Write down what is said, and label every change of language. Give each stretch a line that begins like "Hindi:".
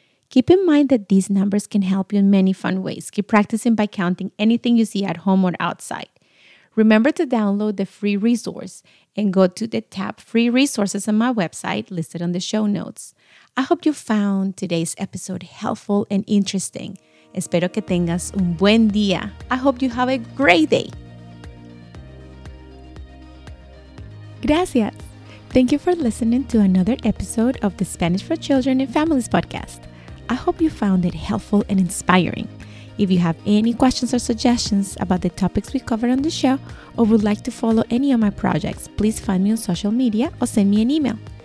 English: Keep in mind that these numbers can help you in many fun ways. Keep practicing by counting anything you see at home or outside. Remember to download the free resource and go to the tab Free Resources on my website listed on the show notes. I hope you found today's episode helpful and interesting.
Spanish: Espero que tengas un buen día.
English: I hope you have a great day.
Spanish: Gracias.
English: Thank you for listening to another episode of the Spanish for Children and Families podcast. I hope you found it helpful and inspiring. If you have any questions or suggestions about the topics we covered on the show or would like to follow any of my projects, please find me on social media or send me an email.